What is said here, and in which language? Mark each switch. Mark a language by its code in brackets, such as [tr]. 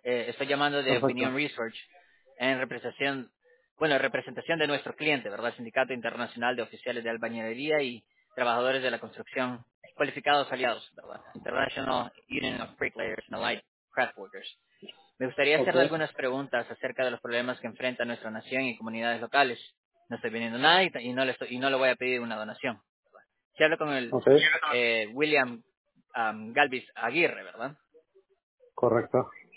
[es] Estoy llamando de Opinion Research en representación de nuestro cliente, ¿verdad? Sindicato Internacional de Oficiales de Albañilería y Trabajadores de la Construcción Cualificados Aliados, ¿verdad? [en] International Union of Bricklayers and Allied Craft Workers. [es] Me gustaría hacerle algunas preguntas acerca de los problemas que enfrenta nuestra nación y comunidades locales. No estoy viniendo nada y no le voy a pedir una donación. Si hablo con William Galvis Aguirre, ¿verdad? Correcto.